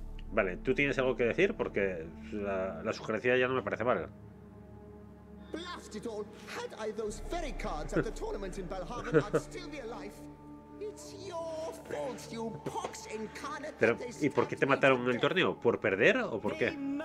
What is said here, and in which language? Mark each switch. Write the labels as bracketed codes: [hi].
[es] Vale, tú tienes algo que decir porque la sugerencia ya no me parece mal. [en] Blast it all. Had I those ferry cards at the tournament in Valhalla, I'd still be alive. It's your fault, you pox incarnate. [es] Pero, ¿y por qué te mataron en el torneo? ¿Por perder o por qué?